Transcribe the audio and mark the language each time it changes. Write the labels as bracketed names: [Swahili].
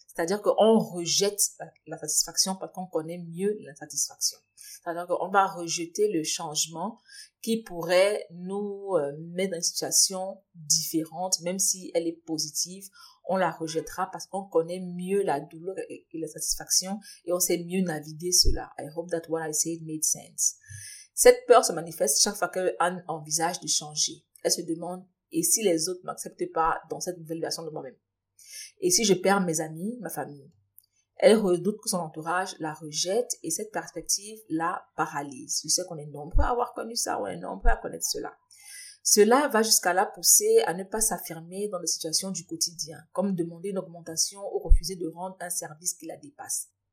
[French] C'est-à-dire qu'on rejette la satisfaction parce qu'on connaît mieux l'insatisfaction. C'est-à-dire qu'on va rejeter le changement qui pourrait nous mettre dans une situation différente, même si elle est positive, on la rejettera parce qu'on connaît mieux la douleur et la satisfaction et on sait mieux naviguer cela. [English] I hope that what I said made sense. [French] Cette peur se manifeste chaque fois qu'Anne envisage de changer. Elle se demande, et si les autres ne m'acceptent pas dans cette nouvelle version de moi-même? Et si je perds mes amis, ma famille? Elle redoute que son entourage la rejette et cette perspective la paralyse. Je sais qu'on est nombreux à avoir connu ça, on est nombreux à connaître cela. Cela va jusqu'à la pousser à ne pas s'affirmer dans les situations du quotidien, comme demander une augmentation ou refuser de rendre un service qui la dépasse.